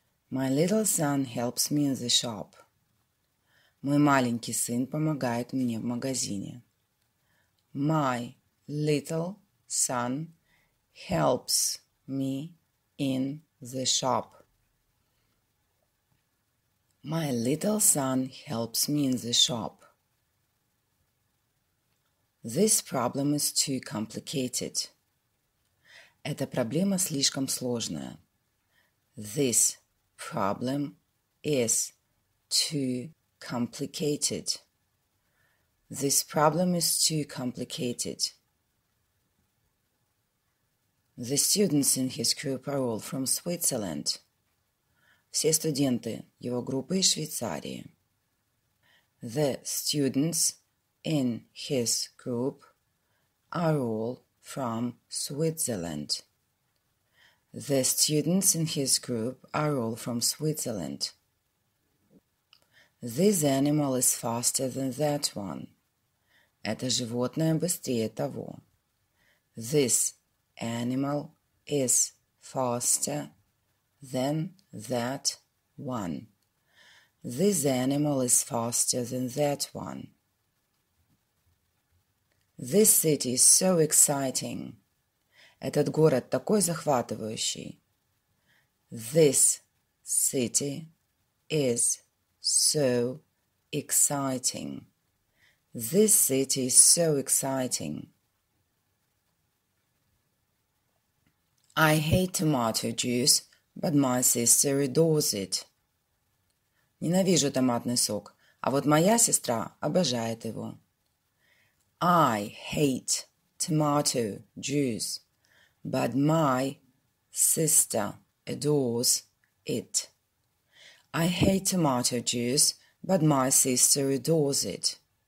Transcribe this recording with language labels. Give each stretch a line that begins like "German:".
English: My little son helps me in the shop.
Russian: Мой маленький сын помогает мне в магазине.
English: My little son helps me in the shop. My little son helps me in the shop. This problem is too complicated.
Russian: Эта проблема слишком сложная.
English: This problem is too complicated. This problem is too complicated. The students in his group are all from Switzerland.
Russian: Все студенты его группы из Швейцарии.
English: The students in his group are all from Switzerland. The students in his group are all from Switzerland. This animal is faster than that one.
Russian: Это животное быстрее того.
English: This animal is faster than that one. This animal is faster than that one. This city is so exciting.
Russian: Этот город такой захватывающий.
English: This city is so exciting. This city is so exciting. I hate tomato juice, but my sister adores it.
Russian: Ненавижу томатный сок, а вот моя сестра обожает его.
English: I hate tomato juice, but my sister adores it. I hate tomato juice, but my sister adores it.